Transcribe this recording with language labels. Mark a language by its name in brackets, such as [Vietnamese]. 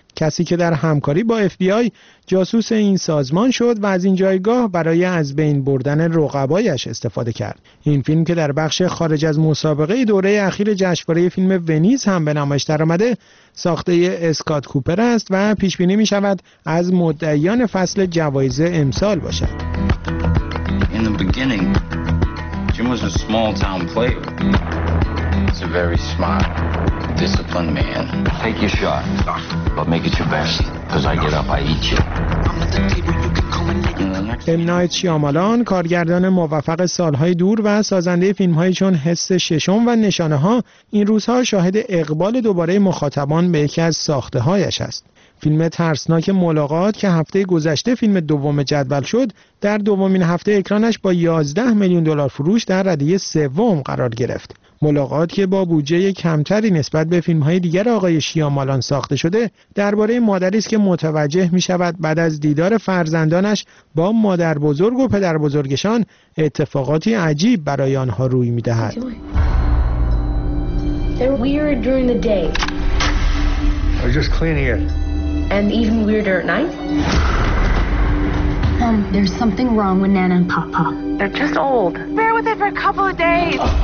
[Persian] کسی که در همکاری با FBI جاسوس این سازمان شد و از این جایگاه برای از بین بردن رقبایش استفاده کرد. این فیلم که در بخش خارج از مسابقه دوره اخیر جشنواره فیلم ونیز هم به نمایش درآمده، ساخته اسکات کوپر است و پیش بینی می شود از مدعیان فصل جوایز امسال باشد. [English] In the beginning, Jim was a small town player. He's a very smart, disciplined man. Take your shot, but make it your best, because I get up, I eat you. M. [Persian] Night Shyamalan، کارگردان موفق سالهای دور و سازنده فیلمهایی چون حس ششم و نشانه ها، این روزها شاهد اقبال دوباره مخاطبان به یکی از ساخته هایش است. فیلم ترسناک ملاقات که هفته گذشته فیلم دوم جدول شد، در دومین هفته اکرانش با 11 میلیون دلار فروش در رده سوم قرار گرفت. ملاقات که با بودجه کمتری نسبت به فیلم‌های دیگر آقای شیامالان ساخته شده، درباره مادری است که متوجه می‌شود بعد از دیدار فرزندانش با مادر بزرگ و پدر بزرگشان اتفاقاتی عجیب برای آنها روی می‌دهد. [English] And even weirder at night. Mom, there's something wrong with Nana and Papa. They're just old. Bear with it for a couple of days.